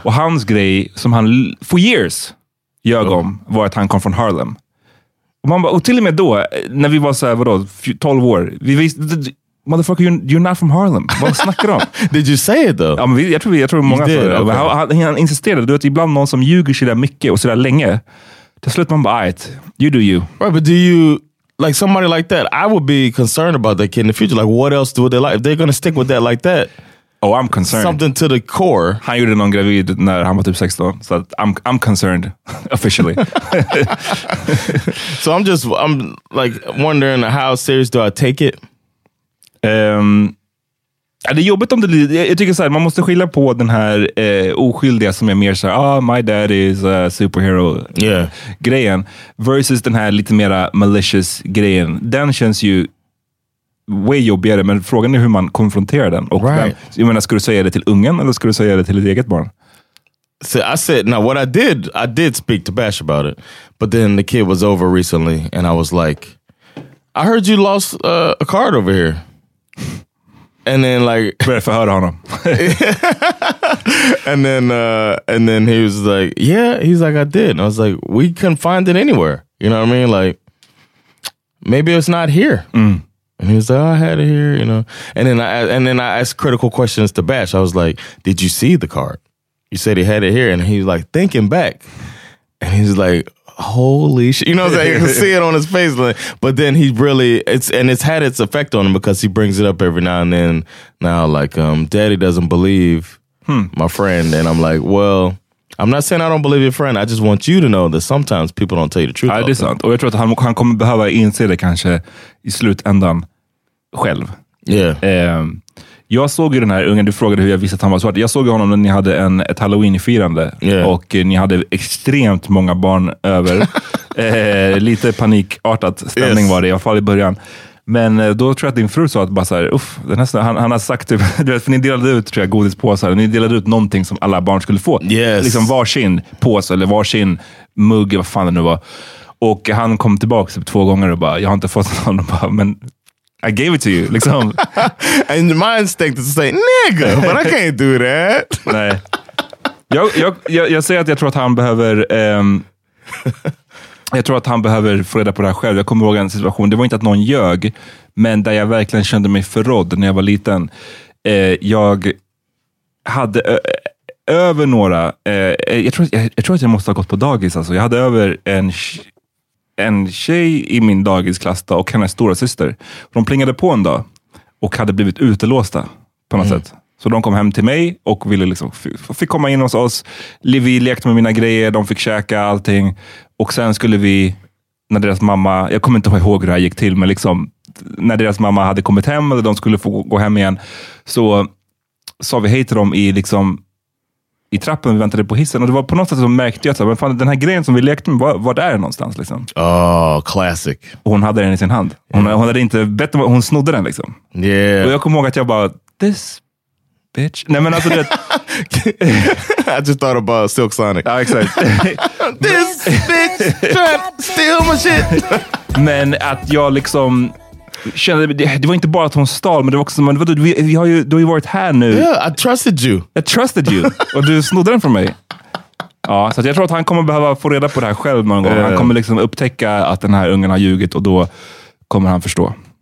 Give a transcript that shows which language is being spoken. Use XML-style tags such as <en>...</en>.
<sv>Och hans grej som han,</sv> <en>for years,</en> <sv>ljög om, var att han kom från Harlem. Och, man ba, och till och med då, när vi var så här, vadå, 12 år. Vi visste,</sv> <en>motherfucker, you're not from Harlem.</en> <sv>Vad snackar du om?</sv> <en>Did you say it though?</en> <sv>Ja, men jag tror många</sv> <en>did,</en> <sv>för det. Okay. Han insisterade, du vet, ibland någon som ljuger så där mycket och så där länge. Till slut man bara,</sv> <en>right, you do you. Right, but do you... Like somebody like that, I would be concerned about that kid in the future. Like, what else do they like? If they're going to stick with that like that. Oh, I'm concerned. Something to the core.</en> <sv>Han gjorde någon gravid när han var typ 16.</sv> <en>So I'm concerned, officially. So I'm like wondering, how serious do I take it?</en> <sv>Det är jobbigt om det... Jag tycker så här, man måste skilja på den här oskyldiga som är mer så här,</sv> <en>oh, my dad is a superhero, yeah,</en> <sv>grejen, versus den här lite mera malicious grejen. Den känns ju way jobbigare, men frågan är hur man konfronterar den. Och right. Jag menar, ska du säga det till ungen eller ska du säga det till ditt eget barn?</sv> <en>So I said, now what I did speak to Bash about it, but then the kid was over recently and I was like, I heard you lost a card over here. And then like better for hold on him. and then he was like, yeah, he's like, I did. And I was like, we couldn't find it anywhere. You know what I mean? Like, maybe it's not here. Mm. And he was like, oh, I had it here, you know. And then I asked critical questions to Bash. I was like, did you see the card? You said he had it here. And he's like, thinking back. And he's like, holy shit. You know what I'm saying? You can see it on his face. Like, but then he really, it's had its effect on him, because he brings it up every now and then. Now, like, daddy doesn't believe my friend. And I'm like, well, I'm not saying I don't believe your friend. I just want you to know that sometimes people don't tell you the truth.</en> <sv>Ja, det är sant. Och jag tror att han kommer behöva inse det kanske i slutändan själv.</sv> <en>Yeah.</en> <sv>Jag såg ju den här ungen, du frågade hur jag visste att han var svart. Jag såg honom när ni hade ett Halloween-firande.</sv> <en>Yeah.</en> <sv>Och ni hade extremt många barn över. lite panikartat stämning, yes, var det, i alla fall i början. Men då tror jag att din fru sa att bara så här, uff, han har sagt typ, du vet, för ni delade ut, tror jag, godispåsar. Ni delade ut någonting som alla barn skulle få.</sv> <en>Yes.</en> <sv>Liksom varsin påse eller varsin mugg, vad fan det nu var. Och han kom tillbaka typ två gånger och bara, jag har inte fått någon. Och bara, men...</sv> <en>I gave it to you,</en> <sv>liksom.</sv> <en>And my instinct is to say, nigga, but I can't do that.</en> <sv>Nej. Jag säger att jag tror att han behöver... jag tror att han behöver få reda på det här själv. Jag kommer ihåg en situation, det var inte att någon ljög, men där jag verkligen kände mig förrådd när jag var liten. jag hade över några, jag tror att jag måste ha gått på dagis, alltså. Jag hade över en tjej i min dagisklass då, och hennes stora syster. De plingade på en dag och hade blivit utelåsta på något sätt. Så de kom hem till mig och ville liksom fick komma in hos oss. Vi lekte med mina grejer, de fick käka allting. Och sen skulle vi, när deras mamma, jag kommer inte ihåg hur det här gick till, men liksom, när deras mamma hade kommit hem eller de skulle få gå hem igen, så sa vi hej till dem i liksom i trappen, vi väntade på hissen. Och det var på något sätt som märkte jag, men fan, den här grejen som vi lekte med, vart är det någonstans liksom?</sv> <en>Oh, classic.</en> <sv>Och hon hade den i sin hand. Hon hade inte bett om, hon snodde den liksom.</sv> <en>Yeah.</en> <sv>Och jag kommer ihåg att jag bara,</sv> <en>this bitch.</en> <sv>Nej, men alltså det...</sv> <en>I just thought about Silk Sonic.</en> <sv>Ja, exakt.</sv> <en>This bitch trying to steal my shit.</en> <sv>Men att jag liksom kände, det var inte bara att hon stal, men det var också som, du har ju varit här nu.</sv> <en>Yeah, I trusted you.</en> <sv>Och du snodde den från mig. Ja, så att jag tror att han kommer behöva få reda på det här själv någon gång. Han kommer liksom upptäcka att den här ungen har ljugit, och då kommer han förstå.</sv>